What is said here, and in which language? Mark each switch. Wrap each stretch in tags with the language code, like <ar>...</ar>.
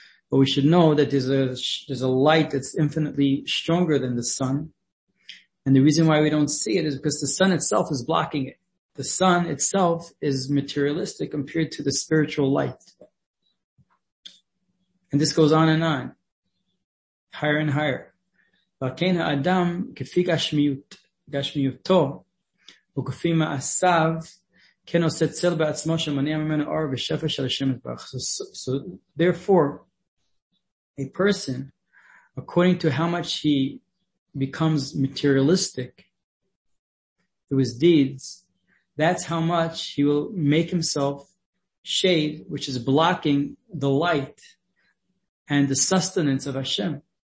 <en>But we should know that there's a light that's infinitely stronger than the sun. And the reason why we don't see it is because the sun itself is blocking it. The sun itself is materialistic compared to the spiritual light. And this goes on and on, higher and higher.</en> <he>וכן האדם כפי גשמיותו וכפי מעשיו כן עושה צל בעצמו שמניע ממנו אור ושפע של השם יתברך.</he> <en>So therefore, a person, according to how much he becomes materialistic through his deeds, that's how much he will make himself shade, which is blocking the light and the sustenance of Hashem.</en>